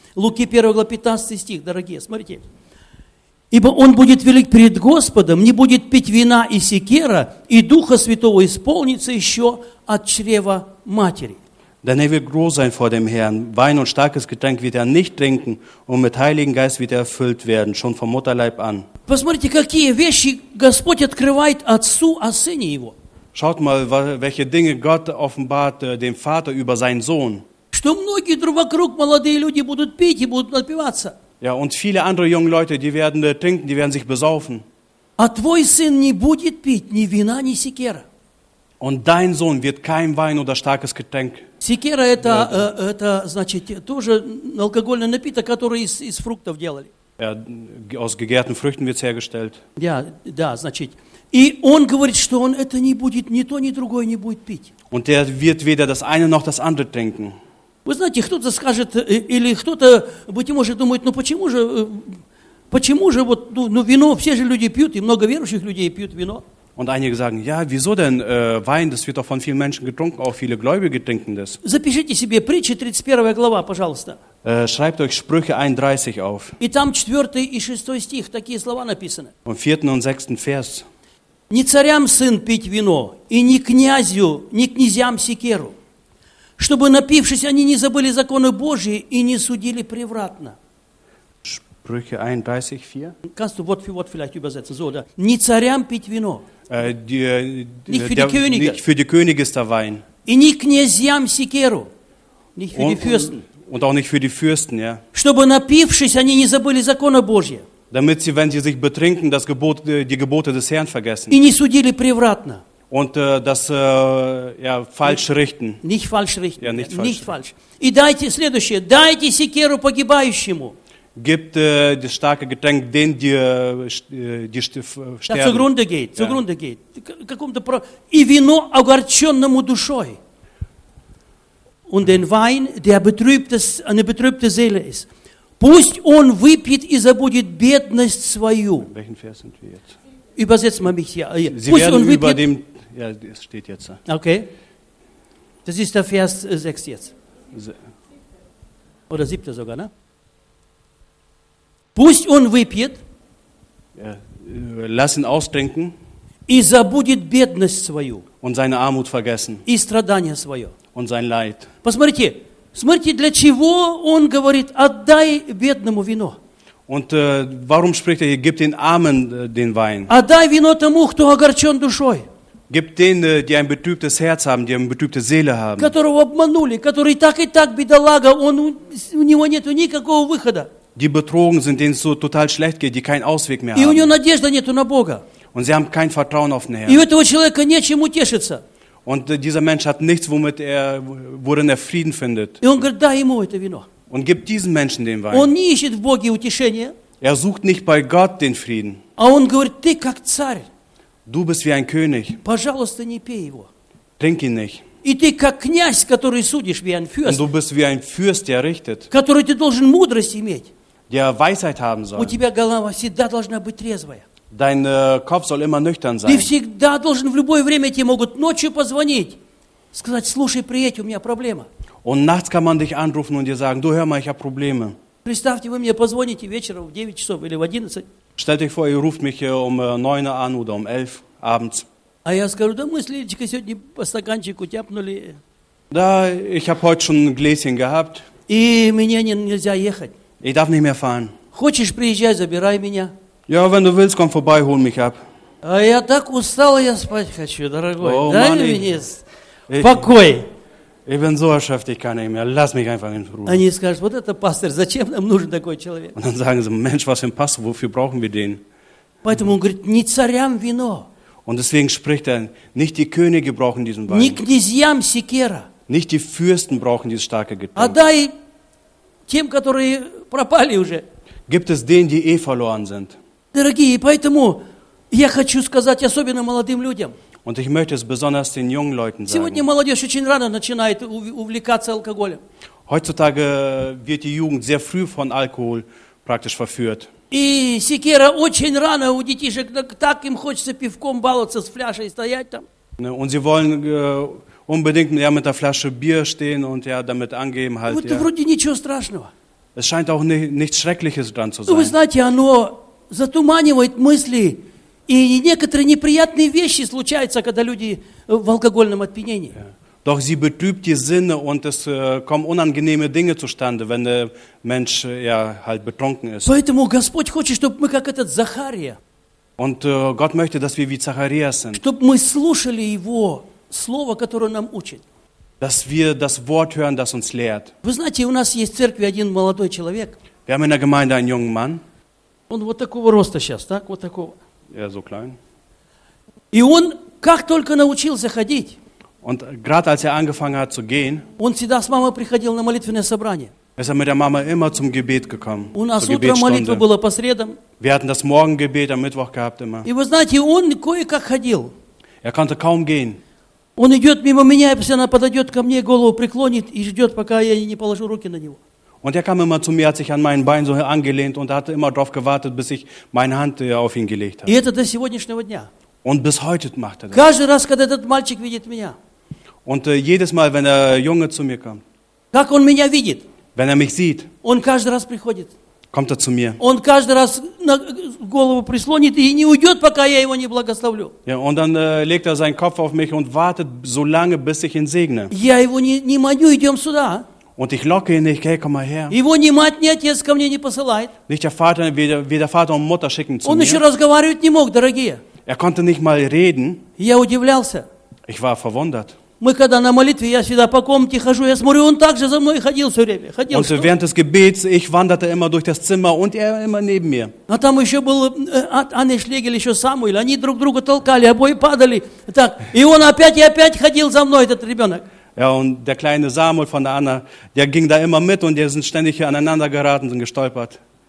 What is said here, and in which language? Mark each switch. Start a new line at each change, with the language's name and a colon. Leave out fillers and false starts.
Russian: Луки 1, глава 15 стих, дорогие, смотрите. Ибо он будет велик перед Господом, не будет пить вина и секера, и Духа Святого исполнится еще от чрева матери.
German: Denn er wird groß sein vor dem Herrn. Wein und starkes Getränk wird er nicht trinken und mit Heiligen Geist wird er erfüllt werden, schon vom Mutterleib an.
Russian: Посмотрите, какие вещи Господь открывает отцу о сыне его.
German: Schaut mal, welche Dinge Gott offenbart dem Vater über seinen Sohn.
Russian: Что многие вокруг молодые люди будут пить и будут напиваться.
German: Ja, und viele andere junge Leute, die werden trinken, die werden sich besaufen.
Russian: А твой сын не будет пить ни вина, ни секера.
German: Und dein Sohn wird kein Wein oder starkes Getränk.
Russian: Секера это, это значит тоже алкогольный напиток, который из фруктов делали.
German: Ja, aus gegärten Früchten wird's hergestellt.
Russian: Ja, да, значит. И он говорит, что он это не будет ни то, ни другое не будет пить.
German: Und er wird weder das eine noch das andere trinken.
Russian: Вы знаете, кто-то скажет, или кто-то, быть может, думает, ну почему же вот, ну вино, все же люди пьют, и много верующих людей пьют вино.
German: Und einige sagen, ja, wieso denn Wein, das wird doch von vielen Menschen getrunken, auch viele Gläubige trinken das.
Russian: Запишите себе притчи, 31 глава, пожалуйста.
German: Schreibt euch Sprüche 31 auf.
Russian: И там 4 и 6 стих, такие слова написаны.
German: Im 4. und 6. Vers.
Russian: Не царям сын пить вино, и не князю, не князьям секеру. Чтобы напившись, они не забыли законы Божьи и не судили превратно.
German: Sprüche 31, 4. Kannst du Wort vielleicht übersetzen? So, oder?
Russian: Не царям пить вино.
German: Nicht für die Könige ist der Wein. И не князьям секеру. Nicht für die Fürsten. Und auch nicht für die Fürsten, ja.
Russian: Чтобы напившись, они не забыли законы Божьи.
German: Damit sie, wenn sie sich betrinken, das Gebot, die Gebote des Herrn vergessen.
Russian: И не судили превратно.
German: Und das ja, falsch richten. Nicht falsch richten. Ja, nicht falsch. Nicht falsch.
Russian: И дайте следующее. Дайте секеру погибающему.
German: Gibt das starke Getränk denen, die sterben. Das zugrunde geht. Ja. Zugrunde geht.
Russian: Какому-то про... И вино огорченному душой.
German: Und den Wein, der betrübtes, eine betrübte Seele ist.
Russian: Пусть он выпьет и забудет бедность свою.
German: Welchen Vers sind wir jetzt? Übersetzt man mich hier. Sie Пусть werden über dem... Ja, es steht jetzt. Okay. Das ist der Vers 6 jetzt. Oder 7 sogar, ne?
Russian: Пусть он выпьет.
German: Ja, lass ihn austrinken.
Russian: И забудет бедность свою.
German: Und seine Armut vergessen.
Russian: И страдание свое.
German: Und sein Leid.
Russian: Посмотрите, смотрите, для чего он говорит, отдай бедному вино.
German: Und warum spricht er hier, gib den Armen den Wein.
Russian: Отдай вино тому, кто огорчен душой.
German: Gib denen, die ein betrübtes Herz haben, die eine betrübte Seele haben.
Russian: Которого обманули, который так и так бедолага, он, у него нету никакого выхода.
German: Die betrogen sind, denen es so total schlecht geht, die keinen Ausweg mehr haben.
Russian: И у него надежды нету на Бога.
German: Und sie haben kein Vertrauen auf den Herrn.
Russian: И у этого человека нечем утешиться.
German: Und dieser Mensch hat nichts, womit er, worin er Frieden findet.
Russian: И он говорит, дай ему это вино.
German: Und gib diesen Menschen den Wein.
Russian: Он не ищет в Боге утешения.
German: Er sucht nicht bei Gott den Frieden.
Russian: А он говорит, ты как царь.
German: Du bist wie ein König.
Russian: Пожалуйста, не пей его.
German: Trink ihn nicht.
Russian: И ты как князь, который судишь,
German: wie ein Fürst. Und du bist wie ein Fürst, der richtet.
Russian: Который ты должен мудрость иметь.
German: Der Weisheit haben soll.
Russian: У тебя голова всегда должна быть трезвая.
German: Dein Kopf soll immer nüchtern sein.
Russian: Ты всегда должен в любое время тебе могут ночью позвонить, сказать, слушай, приедь, у меня проблема.
German: Und nachts kann man dich anrufen und dir sagen, du hör mal, ich habe Probleme.
Russian: Представьте, вы мне позвоните вечером в 9 часов или в 11.
German: Stellt euch vor, ihr ruft mich um 9 Uhr an oder um 11 Uhr abends.
Russian: А я скажу, да мы с Лидочкой сегодня по стаканчику тяпнули.
German: Да, ich habe heute schon ein Gläschen gehabt.
Russian: И мне нельзя ехать.
German: Ich darf nicht mehr fahren.
Russian: Хочешь, приезжай, забирай меня.
German: Ja, wenn du willst, komm vorbei, hol mich ab.
Russian: А я так устал, я спать хочу, дорогой. Oh, дай Mann, мне покой.
German: Ich bin so erschöpft, ich kann nicht mehr. Lass mich einfach in Ruhe.
Russian: Они скажут, вот это пастор, зачем нам нужен такой человек?
German: Und dann sagen sie, Mensch, was für ein Pastor, wofür brauchen wir den?
Russian: Поэтому он говорит, не царям вино.
German: Und deswegen spricht er, nicht die Könige brauchen diesen Wein.
Russian: Не князьям секера.
German: Nicht die Fürsten brauchen dieses starke Getränk.
Russian: А дай тем, которые пропали уже.
German: Gibt es denen, die eh verloren sind?
Russian: Дорогие, поэтому я хочу сказать особенно молодым людям.
German: Und ich möchte es besonders den jungen Leuten sagen.
Russian: Сегодня молодежь очень рано начинает увлекаться алкоголем.
German: Heutzutage wird die Jugend sehr früh von Alkohol praktisch verführt.
Russian: И секира очень рано у детишек, так им хочется пивком баловаться с фляжей стоять там.
German: Und sie wollen unbedingt ja, mit der Flasche Bier
Russian: стоять
German: und ja, damit angeben halt.
Russian: Вот вроде ничего страшного.
German: Es scheint auch nichts Schreckliches dran zu sein.
Russian: Вы знаете, оно затуманивает мысли. И некоторые неприятные вещи случаются, когда люди в алкогольном опьянении.
German: Doch sie betrübt die Sinne und es kommen unangenehme Dinge zustande, wenn der Mensch ja halt betrunken ist.
Russian: Поэтому Господь хочет, чтобы мы как этот Захария.
German: Und Gott möchte, dass wir wie Zacharias sind.
Russian: Чтобы мы слушали его слово, которое нам учит.
German: Dass wir das Wort hören, das uns lehrt.
Russian: Вы знаете, у нас есть в церкви один молодой человек.
German: Wir haben in der Gemeinde einen jungen Mann.
Russian: Он вот такого роста сейчас, так, вот такого.
German: Er so klein.
Russian: И он как только научился ходить.
German: Und grad als er angefangen hat zu gehen.
Russian: Он всегда с мамой приходил на молитвенное собрание.
German: Ist er mit der Mama immer zum Gebet gekommen.
Russian: У нас утром молитва была по средам.
German: Wir hatten das Morgengebet am Mittwoch gehabt immer.
Russian: И вы знаете, он кое-как ходил.
German: Er konnte kaum gehen.
Russian: Он идет мимо меня, и постоянно подойдет ко мне, голову преклонит и ждет, пока я не положу руки на него.
German: Und er kam immer zu mir, hat sich an meinen Bein so angelehnt und hat immer darauf gewartet, bis ich meine Hand auf ihn gelegt habe.
Russian: И это до сегодняшнего дня.
German: Und bis heute macht er das.
Russian: Каждый раз, когда этот мальчик видит меня.
German: Und jedes Mal, wenn der Junge zu mir kommt.
Russian: Как он меня видит?
German: Wenn er mich sieht.
Russian: Он каждый раз приходит.
German: Kommt er zu mir.
Russian: Он каждый раз на голову прислонит и не уйдет, пока я его не благословлю.
German: Ja, und dann legt er seinen Kopf auf mich und wartet so lange, bis ich ihn segne.
Russian: Я его не маню, идем сюда.
German: Und ich locke ihn nicht, hey, komm mal her.
Russian: Его ни мать, ни отец ко мне не посылает.
German: Nicht der Vater, weder Vater und Mutter schicken zu
Russian: он
German: mir.
Russian: Еще разговаривать не мог, дорогие.
German: Er konnte nicht mal reden.
Russian: Я удивлялся.
German: Ich war verwundert.
Russian: Мы когда на молитве, я всегда по комнате хожу, я смотрю, он так же за мной ходил все время. Ходил,
German: und während des Gebets, ich wanderte immer durch das Zimmer und er immer neben mir.
Russian: А там еще был Анне Шлегель, еще Самуэль, они друг друга толкали, обои падали. Так. И он опять и опять ходил за мной, этот ребенок.
German: Ja, und der kleine Samuel von der Anna, der ging da immer mit und die sind ständig hier aneinander geraten, sind gestolpert.